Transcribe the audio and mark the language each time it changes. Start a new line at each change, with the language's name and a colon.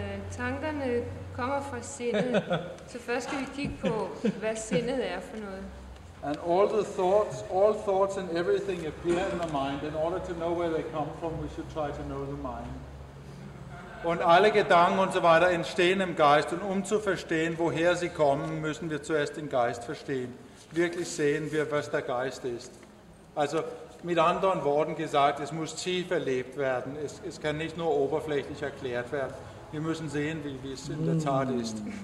Danish: Tankerne kommer fra sindet, så først skal vi kigge på, hvad sindet er for noget.
English: And all thoughts and everything appear in the mind. In order to know where they come from, we should try to know the mind.
German: Und alle Gedanken und so weiter entstehen im Geist, und um zu verstehen, woher sie kommen, müssen wir zuerst den Geist verstehen. Wirklich sehen wir, was der Geist ist. Also mit anderen Worten gesagt, es muss tief erlebt werden. Es kann nicht nur oberflächlich erklärt werden. Wir müssen sehen, wie es in der Tat ist.